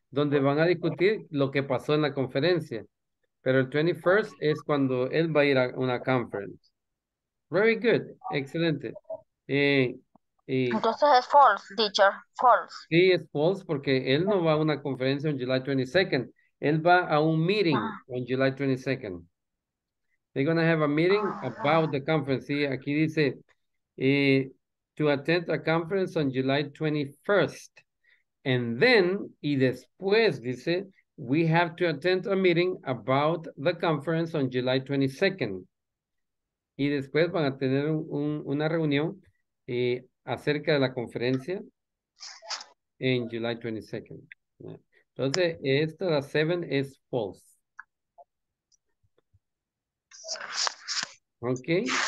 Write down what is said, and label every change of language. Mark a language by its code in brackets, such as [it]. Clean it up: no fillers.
[es] Donde van a discutir lo que pasó en la conferencia. Pero el 21st es cuando él va a ir a una conference. [en] Very good. [es] Excelente. Entonces es false, teacher. False. Sí, es false porque él no va a una conferencia [en] on July 22nd. [es] Él va a un meeting [en] on July 22nd. They're going to have a meeting about the conference. [es] Sí, aquí dice [en] to attend a conference on July 21st. And then, [es] y después, dice, [en] we have to attend a meeting about the conference on July 22nd. [es] Y después van a tener una reunión acerca de la conferencia en July 22nd. Entonces, esta, la 7, es false. [en] Ok.